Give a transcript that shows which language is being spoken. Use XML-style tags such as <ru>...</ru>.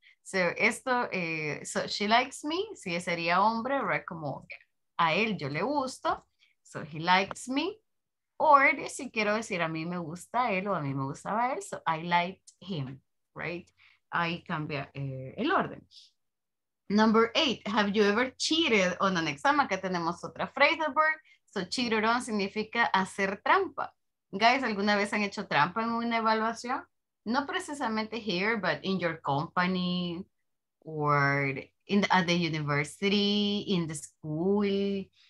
<es>So, esto,</es> <en>so she likes me,</en> <es>si sería hombre, right, como a él yo le gusto,</es> <en>so he likes me,</en> <es>or si quiero decir a mí me gusta él o a mí me gustaba él,</es> <en>so I liked him,</en> <es>right, ahí cambia el orden.</es> <en>Number eight, have you ever cheated on an exam?</en> <es>Acá tenemos otra phrasal verb, so cheated on significa hacer trampa. Guys, ¿alguna vez han hecho trampa en una evaluación? No precisamente</es> <en>here, but in your company, or in the, at the university, in the school.</en>